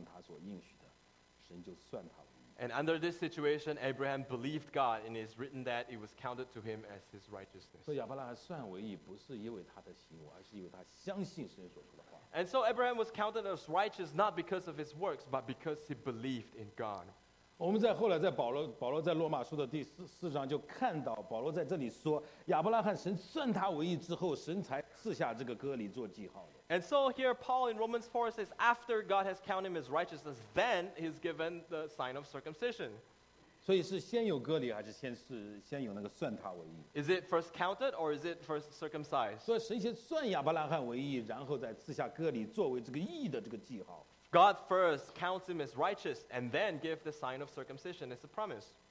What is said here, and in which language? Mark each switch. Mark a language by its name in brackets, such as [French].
[Chinese] 然后就是在这样的一个处境当中说这句话，说亚伯拉罕信神，信神向他所应许的，神就算他为义。 [English] And under this situation, Abraham believed God, and it's written that it was counted to him as his righteousness. [Chinese] 所以亚伯拉罕算为义，不是因为他的行为，而是因为他相信神所说的话。 [English] And so Abraham was counted as righteous not because of his works, but because he believed in God. [Chinese] 我们在后来在保罗在罗马书的第四章就看到保罗在这里说亚伯拉罕神算他为义之后，神才赐下这个割礼做记号的。 [English] And so here Paul in Romans 4 says after God has counted him as righteousness, then he's given the sign of circumcision. [Chinese] 所以是先有割礼还是先有那个算他为义？ [English] Is it first counted or is it first circumcised? [Chinese] 所以神先算亚伯拉罕为义，然后再赐下割礼作为这个义的这个记号。 [English] God first counts him as righteous and then gives the sign of circumcision as a promise.